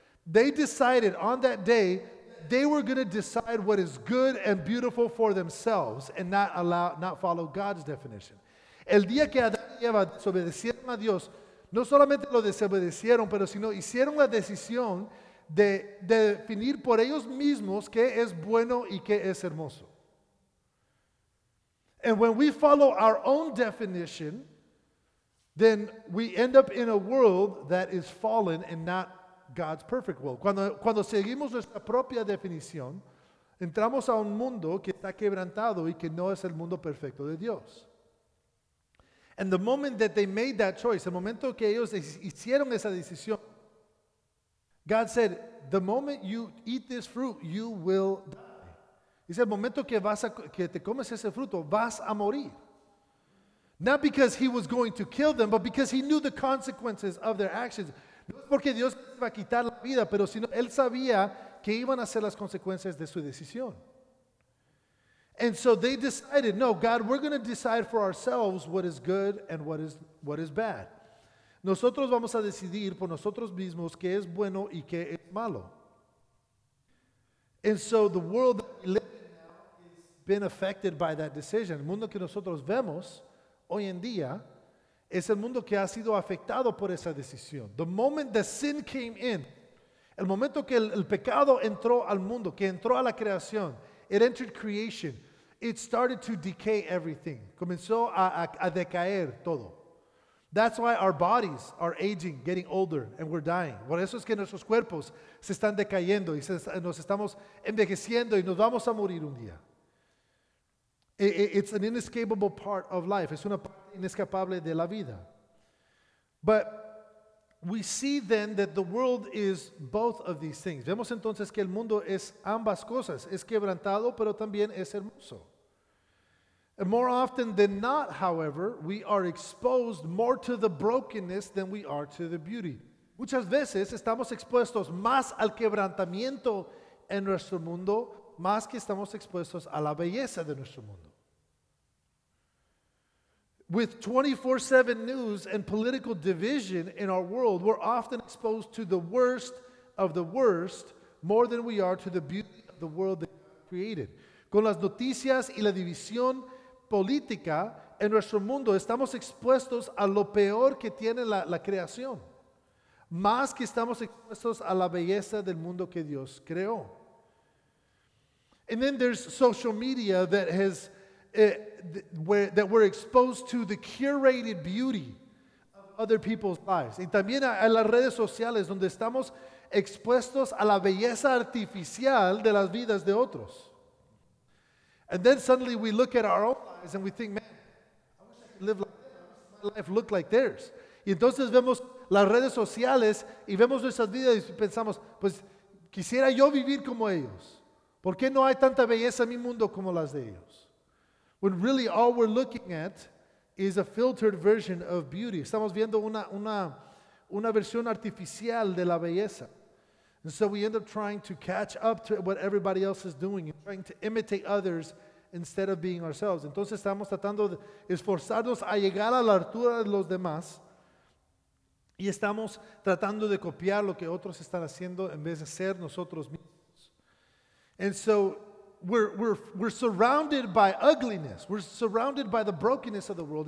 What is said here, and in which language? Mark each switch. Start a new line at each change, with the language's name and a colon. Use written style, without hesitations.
English: They decided on that day, they were going to decide what is good and beautiful for themselves and not follow God's definition.
Spanish: El día que Adán y Eva desobedecieron a Dios, no solamente lo desobedecieron, pero sino hicieron la decisión de definir por ellos mismos qué es bueno y qué es hermoso.
English: And when we follow our own definition, then we end up in a world that is fallen and not God's perfect world.
Spanish: Cuando seguimos nuestra propia definición, entramos a un mundo que está quebrantado y que no es el mundo perfecto de Dios.
English: And the moment that they made that choice,
Spanish: el momento que ellos hicieron esa decisión,
English: God said, the moment you eat this fruit, you will die. He said,
Spanish: el momento que vas a, que te comes ese fruto, vas a morir.
English: Not because he was going to kill them, but because he knew the consequences of their actions.
Spanish: No es porque Dios iba a quitar la vida, pero sino él sabía que iban a ser las consecuencias de su decisión.
English: And so they decided, no, God, we're going to decide for ourselves what is good and what is bad.
Spanish: Nosotros vamos a decidir por nosotros mismos qué es bueno y qué es malo.
English: And so the world that we live in has been affected by that decision.
Spanish: El mundo que nosotros vemos hoy en día es el mundo que ha sido afectado por esa decisión.
English: The moment that sin came in,
Spanish: el momento que el pecado entró al mundo, que entró a la creación,
English: it entered creation, it started to decay everything.
Spanish: Comenzó a decaer todo.
English: That's why our bodies are aging, getting older, and we're dying.
Spanish: Por eso es que nuestros cuerpos se están decayendo y nos estamos envejeciendo y nos vamos a morir un día.
English: It's an inescapable part of life.
Spanish: Es una parte inescapable de la vida.
English: But we see then that the world is both of these things.
Spanish: Vemos entonces que el mundo es ambas cosas. Es quebrantado, pero también es hermoso.
English: More often than not, however, we are exposed more to the brokenness than we are to the beauty.
Spanish: Muchas veces estamos expuestos más al quebrantamiento en nuestro mundo, más que estamos expuestos a la belleza de nuestro mundo.
English: With 24/7 news and political division in our world, we're often exposed to the worst of the worst more than we are to the beauty of the world that God created.
Spanish: Con las noticias y la división política en nuestro mundo, estamos expuestos a lo peor que tiene la creación, más que estamos expuestos a la belleza del mundo que Dios creó.
English: And then there's social media that has that we're exposed to the curated beauty of other people's lives.
Spanish: Y también a las redes sociales donde estamos expuestos a la belleza artificial de las vidas de otros.
English: And then suddenly we look at our own lives and we think, man, I wish I could live like that. I wish my life look like theirs.
Spanish: Y entonces vemos las redes sociales y vemos nuestras vidas y pensamos, pues quisiera yo vivir como ellos. ¿Por qué no hay tanta belleza en mi mundo como las de ellos?
English: When really all we're looking at is a filtered version of beauty.
Spanish: Estamos viendo una versión artificial de la belleza.
English: And so we end up trying to catch up to what everybody else is doing, and trying to imitate others instead of being ourselves.
Spanish: Entonces estamos tratando de esforzarnos a llegar a la altura de los demás y estamos tratando de copiar lo que otros están haciendo en vez de ser nosotros mismos.
English: And so we're surrounded by ugliness. We're surrounded by the brokenness of the world.